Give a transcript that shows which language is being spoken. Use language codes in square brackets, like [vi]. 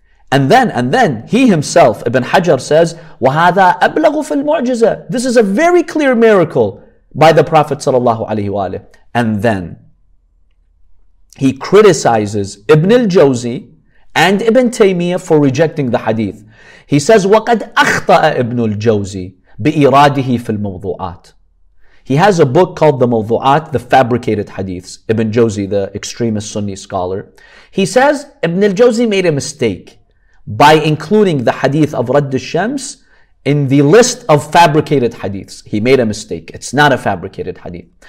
[en] And then he himself, Ibn Hajar, says, [ar] وَهَذَا أَبْلَغُ فِي الْمُعْجِزَةِ. [en] This is a very clear miracle by the Prophet sallallahu alayhi wa alayhi. And then he criticizes Ibn al-Jawzi and Ibn Taymiyyah for rejecting the hadith. He says, [ar] وَقَدْ أَخْطَأَ إِبْنُ الْجَوْزِي بِإِرَادِهِ فِي الْمَوْضُوعَاتِ. [en] He has a book called The Mawdu'at, The Fabricated Hadiths. Ibn Jawzi, the extremist Sunni scholar, he says, Ibn al-Jawzi made a mistake by including the hadith of Radd al-Shams in the list of fabricated hadiths. He made a mistake. It's not a fabricated hadith.